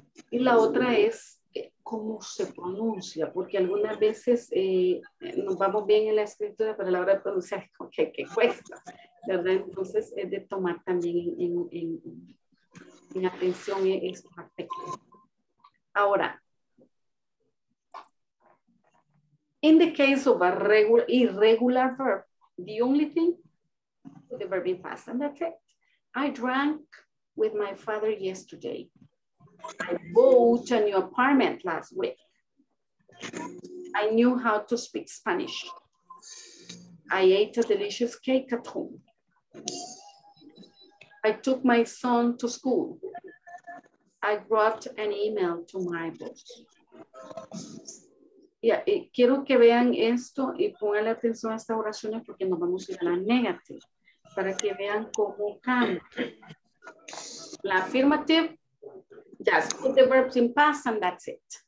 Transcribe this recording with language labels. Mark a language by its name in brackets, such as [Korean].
[Spanish] Y la otra es cómo se pronuncia, porque algunas veces nos vamos bien en la escritura, pero a la hora de pronunciar, ¿qué cuesta? ¿Verdad? Entonces es de tomar también en atención esta parte. [English] Ahora, in the case of a regular, irregular verb, the only thing, the verb in past and affect. I drank with my father yesterday. I bought a new apartment last week. I knew how to speak Spanish. I ate a delicious cake at home. I took my son to school. I brought an email to my boss. [Spanish] Yeah, y quiero que vean esto y pónganle atención a estas oraciones porque nos vamos a ir a la negativa para que vean cómo cambia. [English] La affirmative, just put the verbs in past and that's it.